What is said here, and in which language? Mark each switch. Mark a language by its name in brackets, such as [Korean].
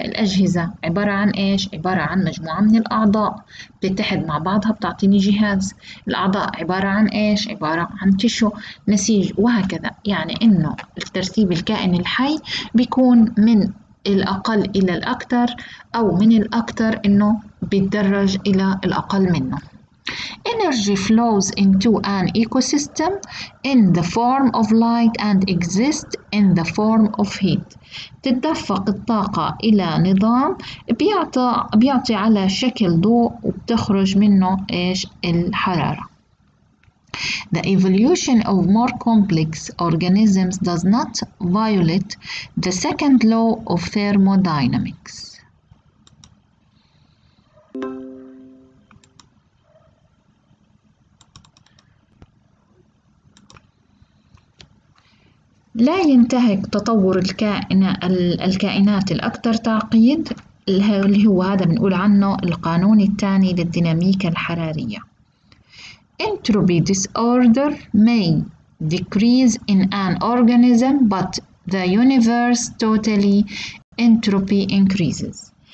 [Arabic] الأجهزة عبارة عن إيش؟ عبارة عن مجموعة من الأعضاء بتتحد مع بعضها بتعطيني جهاز. الأعضاء عبارة عن إيش؟ عبارة عن تشو، نسيج، وهكذا. يعني إنه الترتيب الكائن الحي بيكون من الأقل إلى الأكثر، أو من الأكثر إنه بيتدرج إلى الأقل منه. [English] Energy flows into an ecosystem in the form of light and exists in the form of heat. [Arabic] تتدفق الطاقة إلى نظام بيعطي على شكل ضوء وبتخرج منه إيش؟ الحرارة. [English] The evolution of more complex organisms does not violate the second law of thermodynamics. [Arabic] لا ينتهك تطور الكائنات الأكثر تعقيد، اللي هو هذا بنقول عنه القانون الثاني للديناميكا الحرارية. [English] Entropy disorder may decrease in an organism, but the universe totally entropy increases.